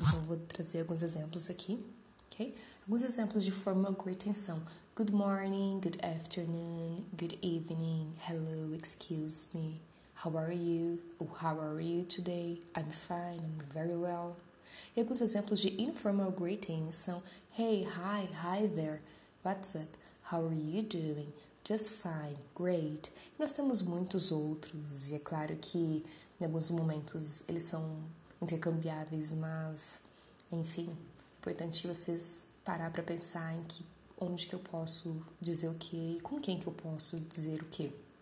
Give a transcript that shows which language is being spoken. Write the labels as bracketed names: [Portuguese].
[Portuguese] Então, eu vou trazer alguns exemplos aqui, ok? Alguns exemplos de [English] formal greetings [Portuguese] são [English] good morning, good afternoon, good evening, hello, excuse me, how are you? Oh, how are you today? I'm fine, I'm very well. [Portuguese] E alguns exemplos de [English] informal greetings [Portuguese] são [English] hey, hi, hi there, what's up, how are you doing? Just fine, great. [Portuguese] E nós temos muitos outros, e é claro que em alguns momentos eles são intercambiáveis, mas enfim, é importante vocês parar para pensar em que onde que eu posso dizer o quê e com quem que eu posso dizer o quê.